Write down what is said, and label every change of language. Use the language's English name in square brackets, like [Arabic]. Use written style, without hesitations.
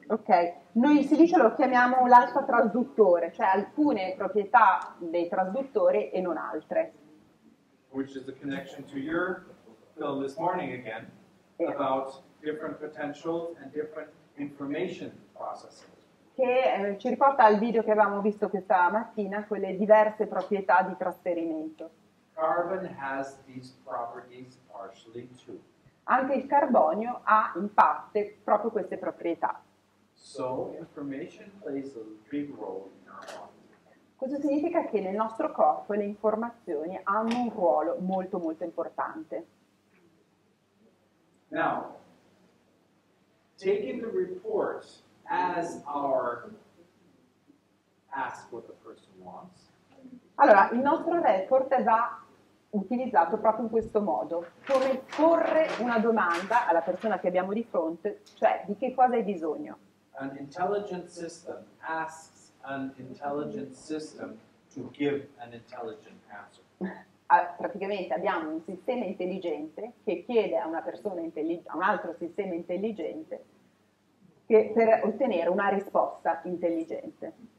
[Italian] Ok, noi il silicio lo chiamiamo l'alfa trasduttore, cioè alcune proprietà dei trasduttori e non altre. [English] Which is the connection to your film this morning again about different potentials and different information processing. [Italian] Che ci riporta al video che avevamo visto questa mattina, quelle diverse proprietà di trasferimento. [English] Carbon has these properties partially too. [Italian] Anche il carbonio ha in parte proprio queste proprietà. [English] So information plays a big role in our body. [Italian] Questo significa che nel nostro corpo le informazioni hanno un ruolo molto molto importante. [English] Now, taking the report as our ask what the person wants. [Italian] Allora, il nostro report va utilizzato proprio in questo modo, come porre una domanda alla persona che abbiamo di fronte, cioè di che cosa hai bisogno. [English] An intelligent system asks an intelligent system to give an intelligent answer. [Italian] Praticamente abbiamo un sistema intelligente che chiede a una persona intelligente, a un altro sistema intelligente, che per ottenere una risposta intelligente.